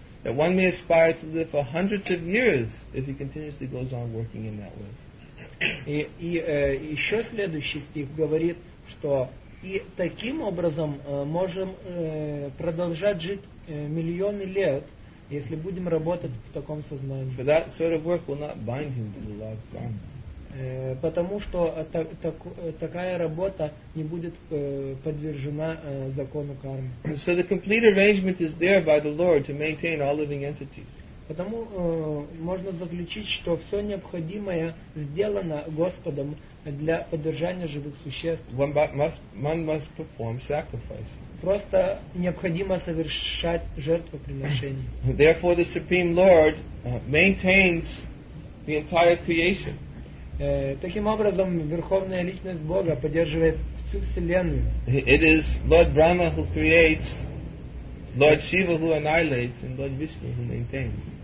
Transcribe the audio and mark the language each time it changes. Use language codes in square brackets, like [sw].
[en] That one may aspire to live for hundreds of years if he continuously goes on working in that way. [ru] И еще следующий стих говорит, что и таким образом можем продолжать жить миллионы лет, если будем работать в таком сознании. [en] But that sort of work will not bind him to the Lord Brahma. [ru] Потому что такая работа не будет подвержена закону кармы. [en] So the complete arrangement is there by the Lord to maintain all living entities. [ru] Потому можно заключить, что все необходимое сделано Господом для поддержания живых существ. [en] One must perform sacrifice. [ru] Просто необходимо совершать жертвоприношение. [en] Therefore the Supreme Lord maintains the entire creation. [ru] Таким образом, Верховная Личность Бога поддерживает всю Вселенную. [en] It is Lord Brahma who creates, Lord Shiva who annihilates, and Lord Vishnu who maintains.